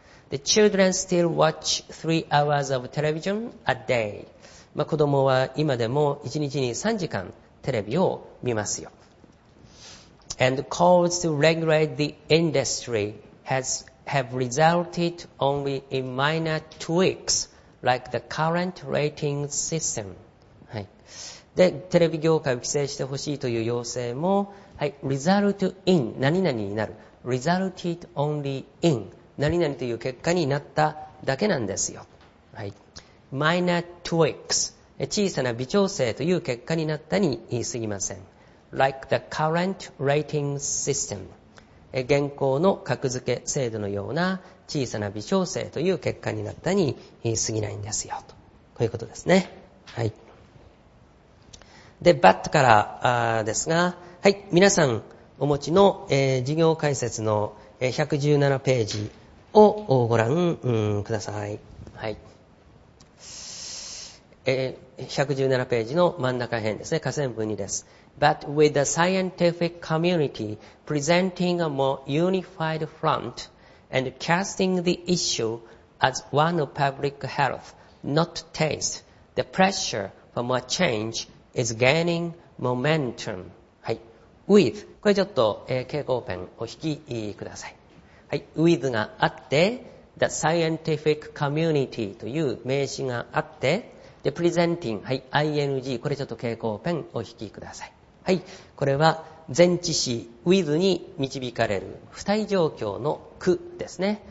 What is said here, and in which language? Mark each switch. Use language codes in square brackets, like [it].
[en] The children still watch 3 hours of television a day. [ja] まあ、子供は今でも1日に3時間テレビを見ますよ。 [en] And calls to regulate the industry have resulted only in minor tweaks like the current rating system. [ja] はい。で、テレビ業界を規制してほしいという要請も、はい、 [en] result in [ja] 何々になる。 [en] resulted only in [ja] 何々という結果になっただけなんですよ。はい。 minor tweaks 小さな微調整という結果になったに言い過ぎません。 [en] like the current rating system [ja] 現行の格付け制度のような小さな微調整という結果になったに言い過ぎないんですよ。とこういうことですね。はい。で、バットからですが、はい、皆さんお持ちの、事業解説の117ページをご覧、ください。はい。 117ページの真ん中辺ですね。下線分2です。 [en] But with the scientific community presenting a more unified front and casting the issue as one of public health, not taste, the pressure for more change is gaining momentum. [ja] はい。 With これちょっと、蛍光ペンを引きください。はい。With があって、 [en] the scientific community [ja] という名詞があって、で、presenting、はい、ing、これちょっと蛍光ペンを引きください。はい。これは前置詞 with に導かれる不対状況の句ですね。